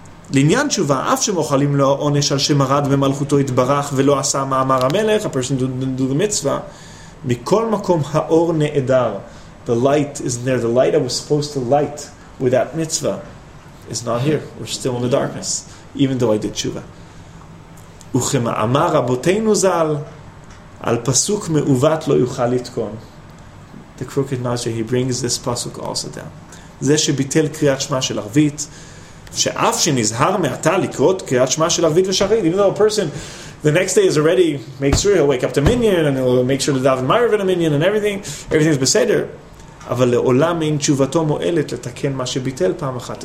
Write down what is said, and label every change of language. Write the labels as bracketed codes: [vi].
[he] לעניין תשובה, אף שמוכלים לו עונש על שמרד ומלכותו התברך ולא עשה מאמר המלך, [en] a person do the mitzvah, [he] מכל מקום האור נעדר. [en] The light isn't there. The light I was supposed to light with that mitzvah is not here. We're still in the darkness, even though I did תשובה. [he] וכמאמר רבותינו זל, על פסוק מעוות לא יוכל לתקון. [en] The crooked nazir, he brings this pasuk also down. [he] זה שביטל קריאת שמה של ערבית, שאף שנזהר מעטה לקרות קריאת שמה של ערבית ושחרית, [en] even though a person the next day is already make sure he'll wake up the minion and he'll make sure to daven ma'ariv in the minion and everything is בסדר, [he] אבל לעולם אין תשובתו מועלת לתקן מה שביטל פעם אחת.